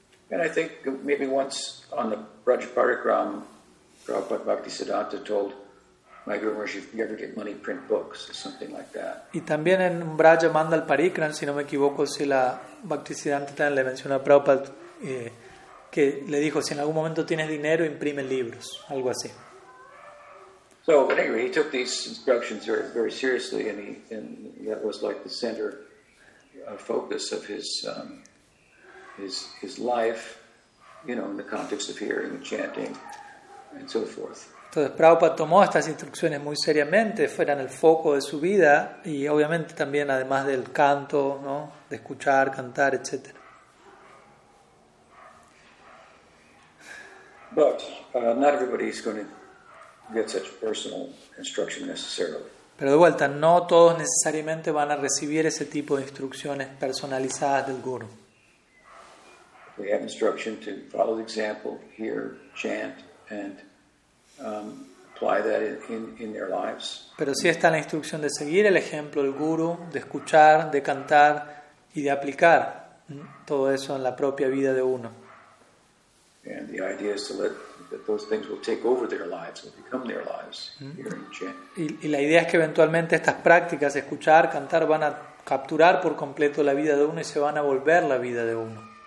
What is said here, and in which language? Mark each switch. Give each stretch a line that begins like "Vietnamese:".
English: And I think maybe once on the Braj Parikram, Prabhupada Bhaktisiddhanta told my Guru Maharaj, if you ever get money, print books, or something like that.
Spanish: Y también en Braj Mandal Parikram, si no me equivoco, Srila Bhaktisiddhanta también le mencionó a Prabhupada que le dijo, si en algún momento tienes dinero, imprime libros, algo así.
English: So, but anyway, he took these instructions very, very seriously, and that was like the center focus of his life, you know, in the context of hearing and chanting and so forth.
Spanish: Entonces Prabhupada tomó estas instrucciones muy seriamente, fueran el foco de su vida, y obviamente también además del canto, ¿no? De escuchar, cantar, etc.
English: But not everybody is going to get such personal instruction necessarily.
Spanish: Pero de vuelta, no todos necesariamente van a recibir ese tipo de instrucciones personalizadas del Guru.
English: We have instruction to follow the example, hear, chant, and apply that in their lives.
Spanish: Pero sí está la instrucción de seguir el ejemplo del Guru, de escuchar, de cantar y de aplicar todo eso en la propia vida de uno.
English: And the idea is to let that those things will take over their lives, will become their lives.
Spanish: Y la idea es que eventualmente estas prácticas, escuchar, cantar, van a capturar por completo la vida de uno y se van a volver la vida de uno.